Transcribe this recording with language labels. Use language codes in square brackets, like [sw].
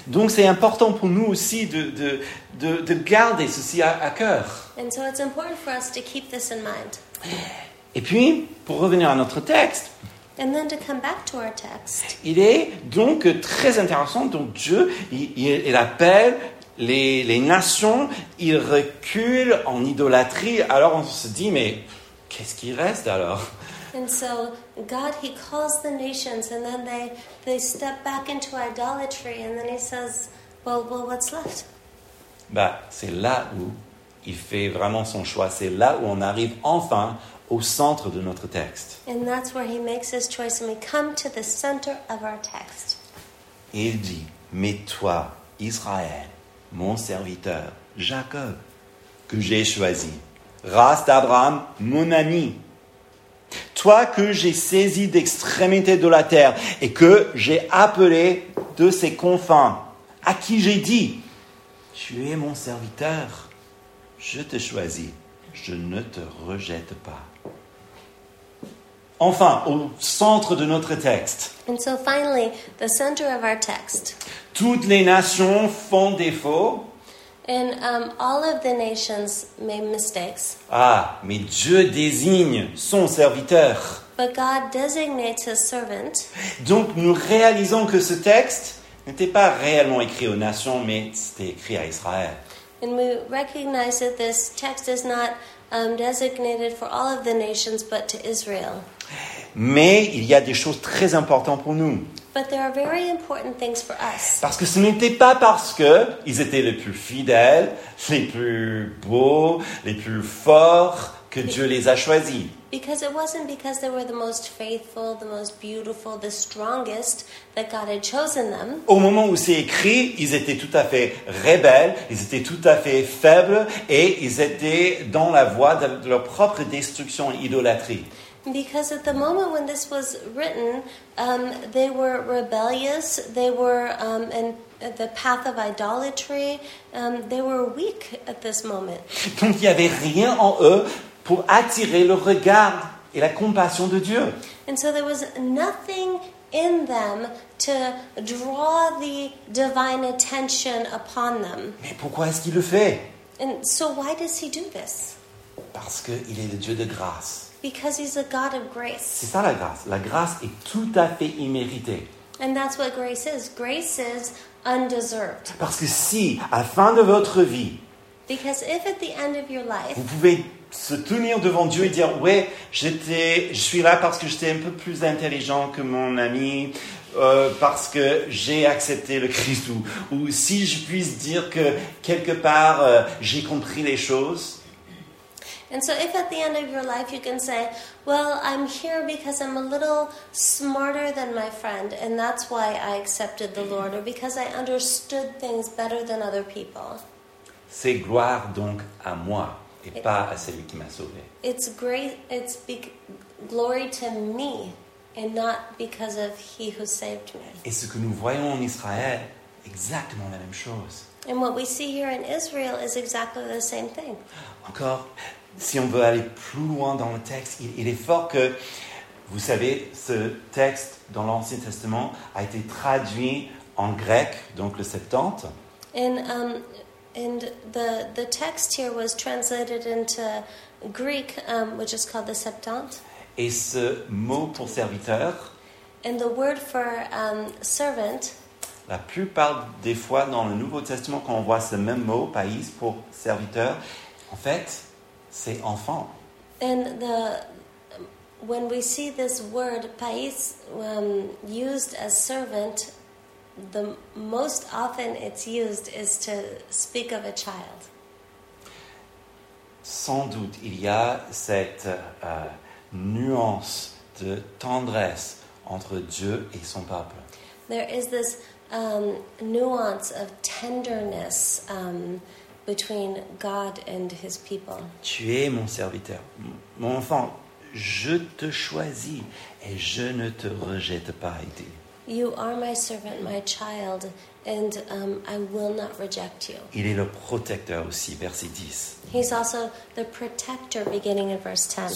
[fr] Donc c'est important pour nous aussi de garder ceci à cœur. [en] And so it's important for us to keep this in mind. [fr] Et puis pour revenir à notre texte. [en] And then to come back to our text. [fr] Il est donc très intéressant, donc Dieu il appelle les nations, ils reculent en idolâtrie, alors on se dit mais qu'est-ce qui reste alors? [en] And so God, he calls the nations, and then they step back into idolatry, and then he says, well, what's left? [fr] C'est là où il fait vraiment son choix. C'est là où on arrive enfin au centre de notre texte. [en] And that's where he makes his choice, and we come to the center of our text. [fr] Il dit, mais toi, Israël, mon serviteur, Jacob, que j'ai choisi, race d'Abraham, mon ami, toi que j'ai saisi d'extrémité de la terre et que j'ai appelé de ses confins, à qui j'ai dit, tu es mon serviteur, je te choisis, je ne te rejette pas. Enfin, au centre de notre texte. [en] And so finally, the center of our text. [fr] Toutes les nations font défaut. [en] And all of the nations made mistakes. [fr] Ah, mais Dieu désigne son serviteur. [en] But God designates his servant. [fr] Donc nous réalisons que ce texte n'était pas réellement écrit aux nations, mais c'était écrit à Israël. [en] And we recognize that this text is not designated for all of the nations, but to Israel. [fr] Mais il y a des choses très importantes pour nous. [en] But there are very important things for us. [fr] Parce que ce n'était pas parce qu'ils étaient les plus fidèles, les plus beaux, les plus forts que Dieu les a choisis. [en] Because it wasn't because they were the most faithful, the most beautiful, the strongest that God had chosen them. [fr] Au moment où c'est écrit, ils étaient tout à fait rebelles, ils étaient tout à fait faibles et ils étaient dans la voie de leur propre destruction et idolâtrie. [en] Because at the moment when this was written, they were rebellious, they were in the path of idolatry, they were weak at this moment. [fr] Donc il n'y avait rien en eux pour attirer le regard et la compassion de Dieu. [en] And so there was nothing in them to draw the divine attention upon them. [fr] Mais pourquoi est-ce qu'il le fait? [en] And so why does he do this? [fr] Parce qu'il est le Dieu de grâce. [en] Because he's a God of grace. [fr] C'est ça la grâce. La grâce est tout à fait imméritée. [en] And that's what grace is. Grace is undeserved. [fr] Parce que si, à la fin de votre vie, [en] because if at the end of your life, [fr] vous pouvez se tenir devant Dieu et dire, « Ouais, je suis là parce que j'étais un peu plus intelligent que mon ami, parce que j'ai accepté le Christ. » Ou si je puisse dire que, quelque part, j'ai compris les choses. [en] And so if at the end of your life you can say, well, I'm here because I'm a little smarter than my friend and that's why I accepted the Lord, or because I understood things better than other people. [fr] C'est gloire donc à moi et pas à celui qui m'a sauvé. [en] It's great, it's glory to me and not because of he who saved me. [fr] Et ce que nous voyons en Israël, exactement la même chose. [en] And what we see here in Israel is exactly the same thing. [fr] Encore, si on veut aller plus loin dans le texte, il est fort que, vous savez, ce texte dans l'Ancien Testament a été traduit en grec, donc le Septante. [en] And the text here was translated into Greek, which is called the Septante. [fr] Et ce mot pour serviteur. [en] And the word for servant. [fr] La plupart des fois dans le Nouveau Testament, quand on voit ce même mot, païs, pour serviteur, en fait, c'est enfant. [en] And when we see this word païs used as servant, the most often it's used is to speak of a child. [fr] Sans doute, il y a cette nuance de tendresse entre Dieu et son peuple. [en] There is this nuance of tenderness between God and his people. [fr] Tu es mon serviteur, mon enfant, je te choisis et je ne te rejette pas, il dit. [en] You are my servant, my child, and I will not reject you. [fr] Il est le protecteur aussi, verset 10. [en] He's also the protector, beginning in verse 10.